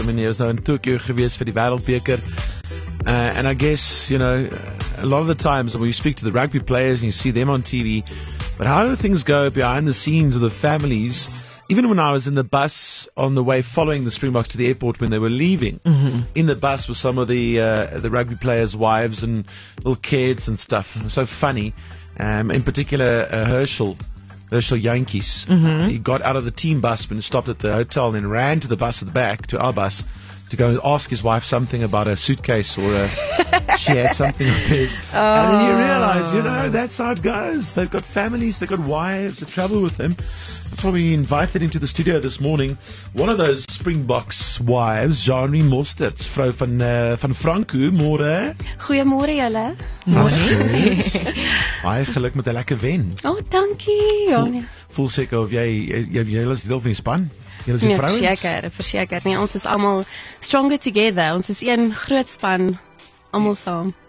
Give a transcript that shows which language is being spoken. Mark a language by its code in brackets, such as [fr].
[en] I mean, [af] jy was nou in Tokyo gewees vir die wêreldbeker. [en] And I guess, you know, a lot of the times when you speak to the rugby players and you see them on TV, but how do things go behind the scenes with the families? Even when I was in the bus on the way following the Springboks to the airport when they were leaving, in the bus with some of the rugby players' wives and little kids and stuff. So funny. In particular, Herschel Yankees. He got out of the team bus when he stopped at the hotel and then ran to the bus at the back, to our bus, to go and ask his wife something about a suitcase or a she had something of his. Oh. And then you realize, you know, that's how it goes. They've got families, they've got wives, they travel with them. That's why we invited into the studio this morning one of those Springboks wives, Jeanrie Mostert, [af] vrou van Franku. Môre. Goeiemôre julle. Môre. Baie geluk met 'n lekker wen. Oh, dankie. Voel seker of jy is deel van die span? Julle is die vrouens? Verseker. Nee, ons is almal [en] stronger together. [af] Ons is een groot span, almal saam.